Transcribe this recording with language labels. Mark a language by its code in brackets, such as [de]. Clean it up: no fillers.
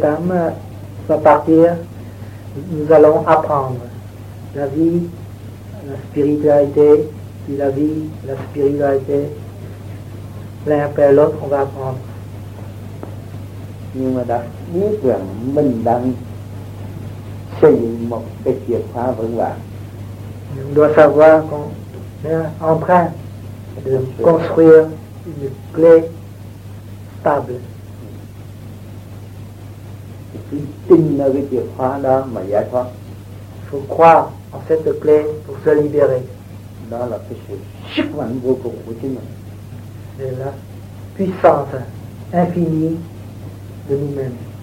[fr] Tam va partir, nous allons apprendre la vie, la spiritualité, puis la vie, la spiritualité, l'un après l'autre, on va apprendre. [vi] Nhưng mà đã biết rằng mình đang xây dựng một cái chìa khóa vững vàng. [fr] On doit savoir qu'on est en train de construire une clé stable. [vi] Tin ở cái chìa khóa đó mà giải thoát. [fr] Faut croire en cette clé pour se libérer. [vi] Đó là cái sự sức mạnh vô cùng của chính mình. [fr] C'est la puissance infinie de nous-mêmes.